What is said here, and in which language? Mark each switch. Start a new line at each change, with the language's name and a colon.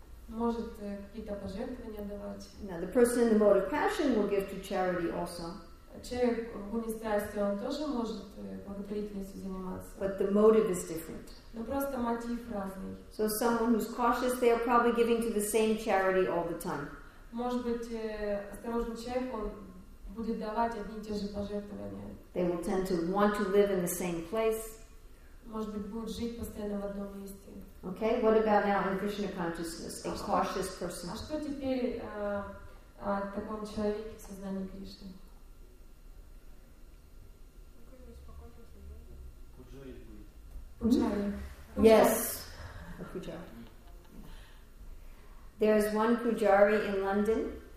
Russian: Может какие-то пожертвования давать.
English: Now the person in the mode of passion will give to charity also.
Russian: Человек в гуне страсти, он тоже может благотворительностью заниматься.
English: But the motive is different.
Russian: Но просто мотив разный.
English: So someone who's cautious, they are probably giving to the same charity all the time.
Russian: Может быть осторожный человек, он будет давать одни и те же пожертвования.
English: They will tend to want to live in the same place.
Russian: Может быть будет жить постоянно в одном месте.
English: Okay, what about now in Krishna consciousness, a cautious person?
Russian: А что теперь о таком человеке в сознании Кришны? Пуджари.
English: Yes, a pujari. There is one pujari in London.